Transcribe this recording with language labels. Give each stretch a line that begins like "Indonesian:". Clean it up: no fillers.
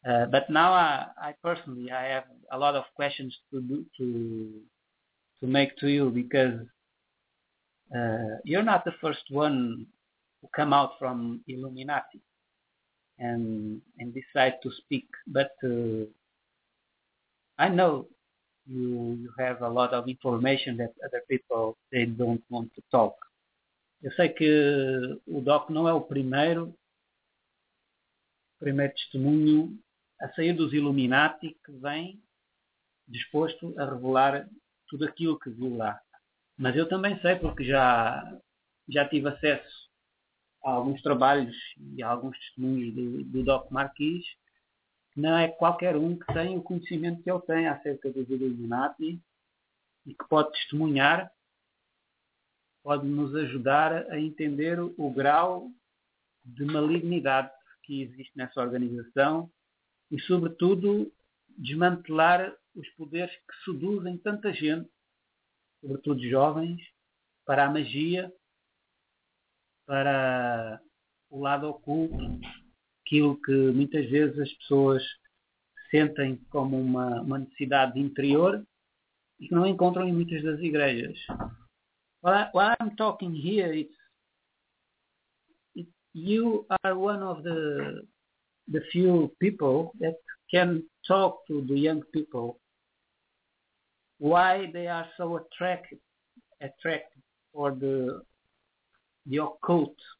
English: But now I personally have a lot of questions to make to you, because you're not the first one to come out from Illuminati and decide to speak. But I know you have a lot of information that other people, they don't want to talk.
Portuguese: Eu sei que o Doc não é o primeiro testemunho a sair dos Illuminati, que vem disposto a revelar tudo aquilo que viu lá. Mas eu também sei, porque já tive acesso a alguns trabalhos e a alguns testemunhos do Doc Marquis, não é qualquer um que tem o conhecimento que ele tem acerca dos Illuminati e que pode testemunhar, pode nos ajudar a entender o grau de malignidade que existe nessa organização. E, sobretudo, desmantelar os poderes que seduzem tanta gente, sobretudo jovens, para a magia, para o lado oculto, aquilo que muitas vezes as pessoas sentem como uma necessidade interior e que não encontram em muitas das igrejas.
English: While I'm talking here, you are one of the few people that can talk to the young people, why they are so attracted for the occult,